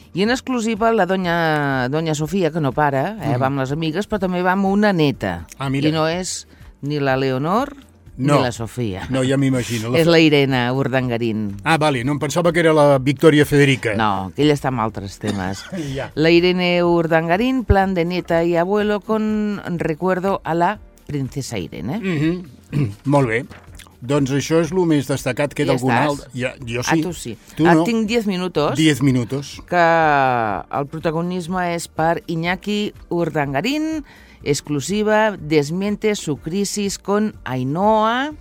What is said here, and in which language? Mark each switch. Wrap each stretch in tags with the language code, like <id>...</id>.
<ca>I en exclusiva la doña Sofia, que no para, mm-hmm. va amb les amigues, però també va amb una neta. Ah, mira. I no és ni la Leonor... No, ni la Sofia. No, ja m'imagino. És la Irene Urdangarín. Ah, vale, no em pensava que era la Victoria Federica. No, que ella està amb altres temes. Ja.</ca> <es>La Irene Urdangarín, plan de neta y abuelo con recuerdo a la princesa Irene.</es> <ca>Mm-hmm. Molt bé. Doncs això és el més destacat que d'algun altre. Ja, jo sí. A tu sí. Tu no. Tinc 10 minuts. 10 minuts. Que el protagonisme és per Iñaki Urdangarín, exclusiva,</ca> <es>desmiente su crisis con Ainhoa.</es>